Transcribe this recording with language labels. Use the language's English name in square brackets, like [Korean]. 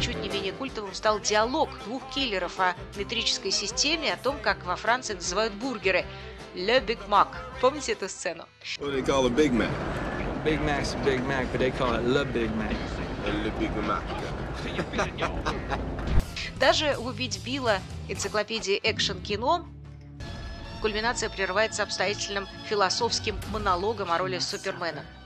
[Russian] Чуть не менее культовым стал диалог двух киллеров о метрической системе, о том, как во Франции называют бургеры. Le Big Mac. Помните эту сцену? [English] What do they call a Big Mac? Big Mac's a Big Mac, but they call it Le Big Mac. Le Big Mac. [Russian] Даже в «Убить Билла» энциклопедии экшн-кино кульминация прерывается обстоятельным философским монологом о роли Супермена.